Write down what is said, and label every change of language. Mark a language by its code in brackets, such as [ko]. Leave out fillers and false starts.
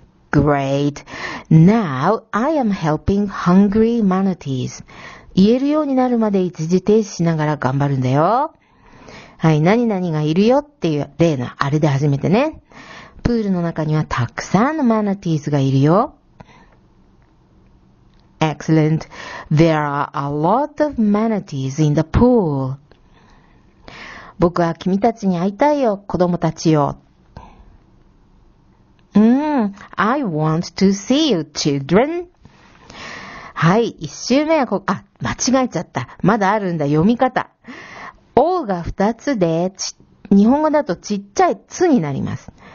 [en] Great. Now I am helping hungry manatees. [ja] 言えるようになるまで一時停止しながら頑張るんだよ。はい、何々がいるよっていう例のあれで始めてね。プールの中にはたくさんのマナティーズがいるよ。 [en] Excellent. There are a lot of manatees in the pool. [ja] 僕は君たちに会いたいよ、子供たちよ。 [en] I want to see you, children. [ja] はい、一周目はあ、間違えちゃった。まだあるんだ、読み方。 O が二つで、日本語だとちっちゃいつになります。